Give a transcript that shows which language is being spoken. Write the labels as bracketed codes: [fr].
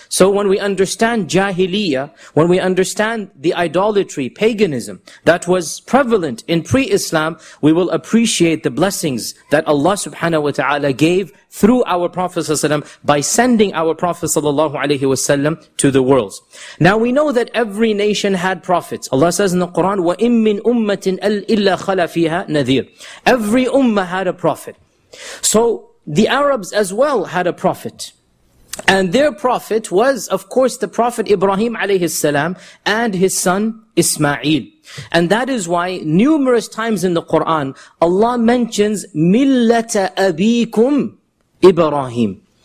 [en] So when we understand jahiliyyah, when we understand the idolatry, paganism, that was prevalent in pre-Islam, we will appreciate the blessings that Allah subhanahu wa ta'ala gave through our Prophet ﷺ by sending our Prophet ﷺ to the world. Now we know that every nation had prophets. Allah says in the Quran, [ar] وَإِن مِّنْ أُمَّةٍ إِلَّا خَلَى فِيهَا نَذِيرٌ. [en] Every ummah had a prophet. So the Arabs as well had a prophet. And their prophet was, of course, the Prophet Ibrahim ﷺ and his son Ismail. And that is why numerous times in the Quran, Allah mentions [ar] مِلَّةَ أَبِيكُمْ [en] Ibrahim.